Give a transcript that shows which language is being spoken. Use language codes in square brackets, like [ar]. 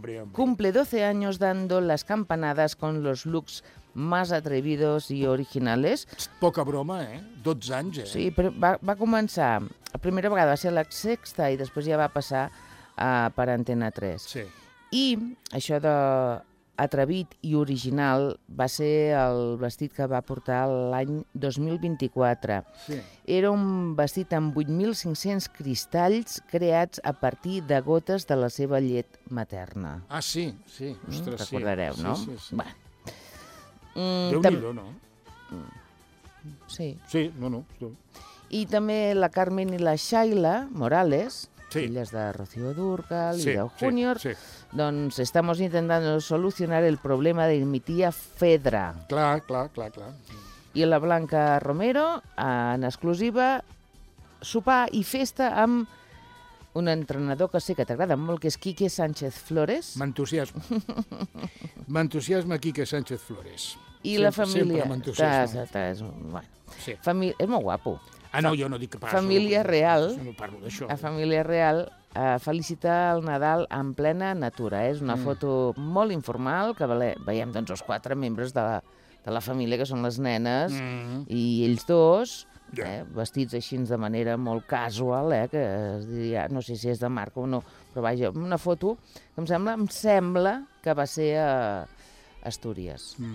[es] Cumple 12 anys dando las campanadas con los looks más atrevidos y originales. [ca] Poca broma, eh? 12 anys, eh? Sí, però va començar... La primera vegada va ser la sexta i després ja va passar per Antena 3. Sí. I això de atrevit i original va ser el vestit que va portar l'any 2024. Sí. Era un vestit amb 8.500 cristalls creats a partir de gotes de la seva llet materna. Ah, sí, sí. Ostres, recordareu, sí. No? Sí, sí, sí. Bé. Déu-n'hi-do, no? Sí. Sí, no. Sí. I també la Carmen i la Shaila Morales, sí. Filles de Rocío Dúrcal i d'Eugenio, sí. [es] Doncs estamos intentando solucionar el problema de mi tía Fedra. [ca] Clar, clar, clar, clar. I la Blanca Romero, en exclusiva, sopar i festa amb un entrenador que sé que t'agrada molt, que és Quique Sánchez Flores. M'entusiasma. M'entusiasma Quique Sánchez Flores. I sempre, la família. Sempre m'entusiasma. Bueno. Sí. És molt guapo. Ah, no, jo no dic que parlo. Família Real. No parlo d'això. A Família Real. Felicitar el Nadal en plena natura. És una foto molt informal, que veiem doncs, els quatre membres de la família, que són les nenes, i ells dos, vestits així de manera molt casual, que es diria, no sé si és de marca o no, però vaja, una foto que em sembla que va ser a Astúries.